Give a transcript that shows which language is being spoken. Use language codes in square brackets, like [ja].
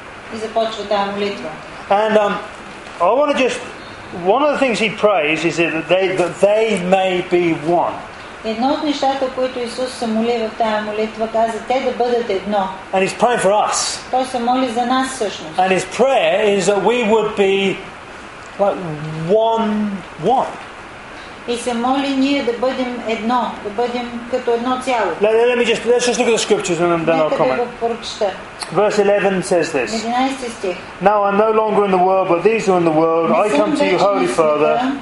[en] And, I want to just. One of the things he prays is that they may be one. [bg] Едно от нещата, които Исус се моли в тая молитва, каза те да бъдат едно. [en] And he's praying for us. [bg] Той се моли за нас всъщност. [en] And his prayer is that we would be like one. [bg] И се моли ние да бъдем едно, да бъдем като едно цяло. [en] Let's just look at the scriptures and then I'll comment. Verse 11 says this. Now I'm no longer in the world, but these are in the world. I come to you, Holy Father.